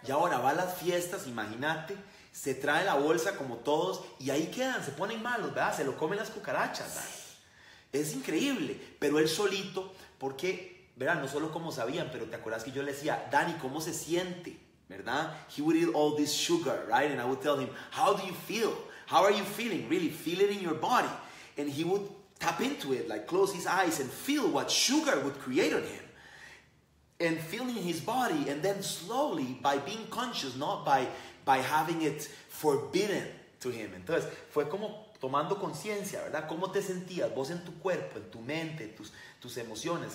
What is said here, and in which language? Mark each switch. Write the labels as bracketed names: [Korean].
[Spanish] Y ahora va a las fiestas, imagínate, se trae la bolsa como todos y ahí quedan, se ponen malos, ¿verdad? Se lo comen las cucarachas, ¿verdad? Es increíble, pero él solito, porque... Verán, no solo cómo sabían, pero te acuerdas que yo le decía, Dani, ¿cómo se siente? [English] ¿verdad? He would eat all this sugar, right? And I would tell him, how do you feel? How are you feeling? Really, feel it in your body. And he would tap into it, like close his eyes and feel what sugar would create on him. And feeling his body, and then slowly, by being conscious, not by having it forbidden to him. [Spanish] Entonces, fue como tomando conciencia, ¿verdad? ¿Cómo te sentías vos en tu cuerpo, en tu mente, tus emociones?